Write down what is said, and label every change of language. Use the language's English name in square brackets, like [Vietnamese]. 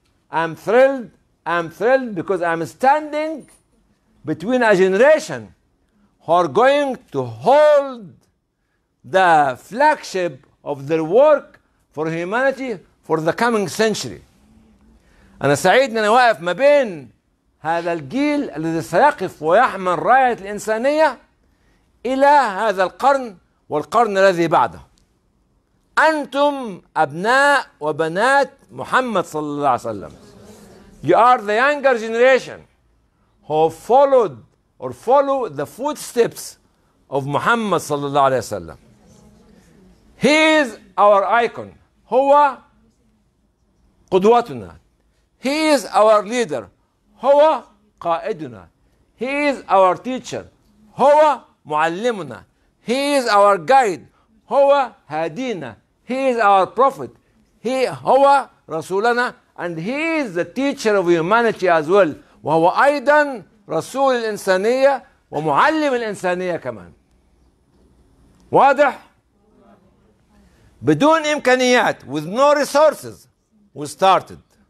[English] I'm thrilled because I'm standing between a generation who are going to hold the flagship of their work for humanity for the coming century. [Arabic] أنا سعيد أنني واقف ما بين هذا الجيل الذي سيقف ويحمل راية الإنسانية إلى هذا القرن والقرن الذي بعده. أنتم أبناء وبنات محمد صلى الله عليه وسلم. [English] You are the younger generation who followed or follow the footsteps of Muhammad sallallahu alayhi wa sallam. He is our icon. [Arabic] هو قدوتنا. [English] He is our leader. [Arabic] هو قائدنا. [English] He is our teacher. [Arabic] هو معلمنا. [English] He is our guide. [Arabic] هو هادينا. [English] He is our prophet. He [Arabic] هو رسولنا. [English] And he is the teacher of humanity as well. [Arabic] وهو أيضا رسول الإنسانية ومعلم الإنسانية كمان. واضح؟ بدون إمكانيات, [English] with no resources, we started.